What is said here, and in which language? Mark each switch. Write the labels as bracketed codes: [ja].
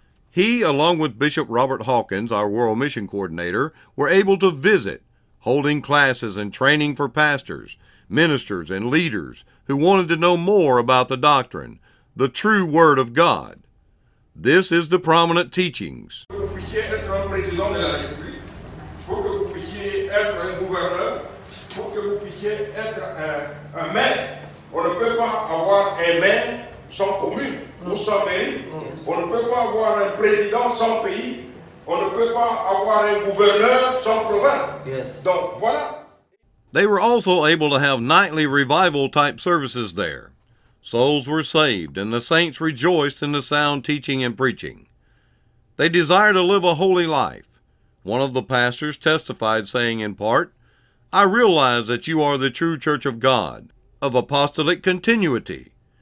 [en] He, along with Bishop Robert Hawkins, our World Mission Coordinator, were able to visit, holding classes and training for pastors, ministers, and leaders who wanted to know more about the doctrine, the true Word of God. This is the prominent teachings. [fr] Pour officier être un président de la République, pour que vous puissiez être un gouverneur, pour que vous puissiez être un maire, on ne peut pas avoir un maire sans commune ou sans mairie. On ne peut pas avoir un président sans pays. On ne peut pas avoir un gouverneur sans province. [en] Yes. [fr] Donc voilà. [en] They were also able to have nightly revival-type services there. Souls were saved, and the saints rejoiced in the sound teaching and preaching. They desire to live a holy life. One of the pastors testified, saying in part, I realize that you are the true Church of God, of apostolic continuity,